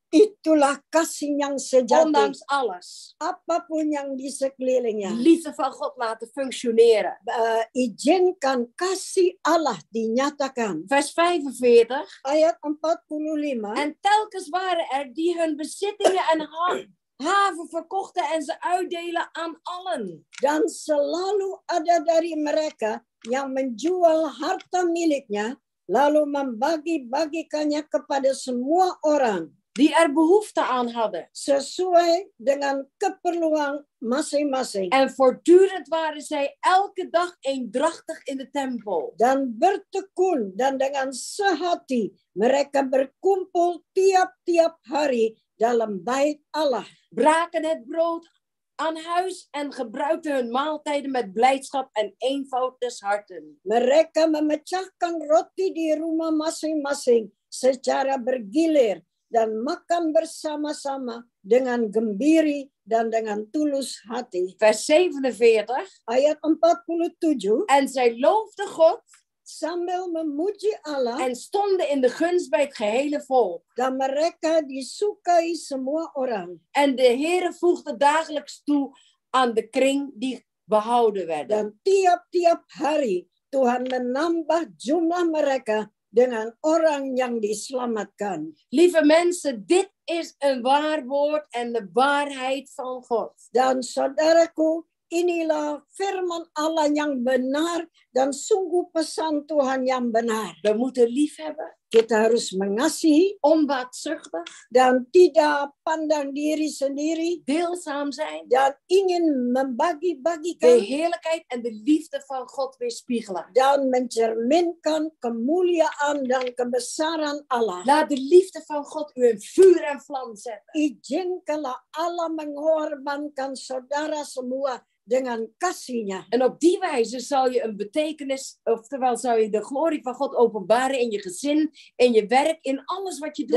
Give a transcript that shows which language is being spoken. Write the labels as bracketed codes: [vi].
[id] Itulah kasih yang sejati. [nl] Ondanks alles. [id] Apapun yang di sekelilingnya. [nl] Liefde van God laten functioneren. [id] Izinkan kasih Allah dinyatakan. [nl] Vers 45. [id] Ayat 45. [nl] En telkens waren er die hun bezittingen en haven verkochten en ze uitdelen aan allen. [id] Dan selalu ada dari mereka yang menjual harta miliknya, lalu membagi-bagikannya kepada semua orang. [nl] Die er behoefte aan hadden. [id] Sesuai dengan keperluan masing-masing. [nl] En voortdurend waren zij elke dag eendrachtig in de tempel. [id] Dan bertekun dan dengan sehati mereka berkumpul tiap-tiap hari dalam bait Allah. [nl] Braken het brood aan huis en gebruikten hun maaltijden met blijdschap en eenvoud des harten. [id] Mereka memecahkan roti di rumah masing-masing secara bergilir dan makan bersama-sama dengan gembira dan dengan tulus hati. [nl] Vers 47. [id] Ayat 47. [nl] En zij loofden God. [id] sambil memuji Allah [nl] en stonden in de gunst bij het gehele volk. [id] Dan mereka disukai semua orang. [nl] En de Heere voegde dagelijks toe aan de kring die behouden werden. [id] Dan tiap-tiap hari Tuhan menambah jumlah mereka dengan orang yang diselamatkan. [nl] Lieve mensen, dit is een waar woord en de waarheid van God. [id] Dan saudaraku, inilah firman Allah yang benar dan sungguh pesan Tuhan yang benar. [nl] We moeten lief hebben. [id] Kita harus mengasihi. [nl] Onbaatzuchtig. [id] Dan tidak pandang diri sendiri. [nl] Deelzaam zijn. [id] Dan ingin membagi-bagikan. [nl] De heerlijkheid en de liefde van God weerspiegelen. [id] Dan mencerminkan kemuliaan dan kebesaran Allah. [nl] Laat de liefde van God u in vuur en vlam zetten. [id] Ijinkanlah Allah mengorbankan saudara semua. Dengan kasihnya. [nl] En op die wijze zal je een betekenis, oftewel zal je de glorie van God openbaren in je gezin, in je werk, in alles wat je doet.